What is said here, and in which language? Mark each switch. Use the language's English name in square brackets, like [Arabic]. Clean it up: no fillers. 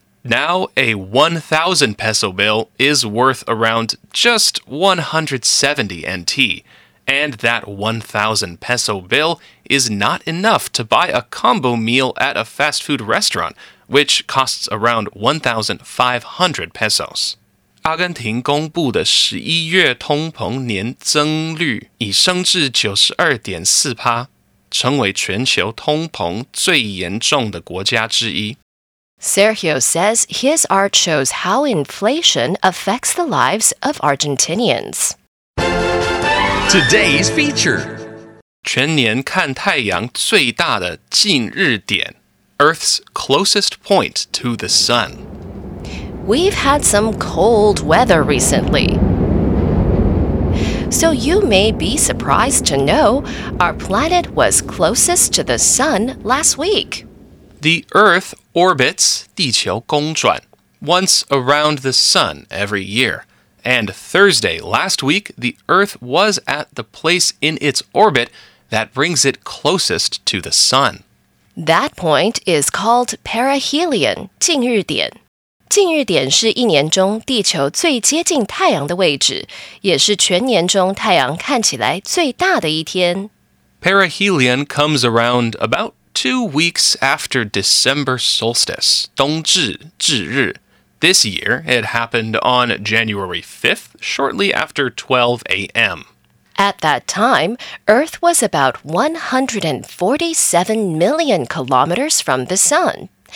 [English] Now, a 1,000 peso bill is worth around just 170 NT. And that 1,000 peso bill is not enough to buy a combo meal at a fast food restaurant, which costs around 1,500 pesos. [Chinese] 阿根廷公布的11月通膨年增率已升至 92.4%, 成为全球通膨最严重的国家之一。 [English] Sergio says his art shows how inflation affects the lives of Argentinians. Today's feature. [Chinese] 全年看太阳最大的近日点 [English] Earth's closest point to the sun. We've had some cold weather recently. So you may be surprised to know our planet was closest to the sun last week. The Earth orbits, [Chinese] 地球公转, [English] once around the sun every year. And Thursday last week, the Earth was at the place in its orbit that brings it closest to the sun. That point is called perihelion, 近日点。 [Chinese] 近日点是一年中地球最接近太阳的位置，也是全年中太阳看起来最大的一天。 [English] Perihelion comes around about 2 weeks after December solstice, 冬至至日。 This year, it happened on January 5th, shortly after 12 a.m. At that time, Earth was about 147 million kilometers from the sun.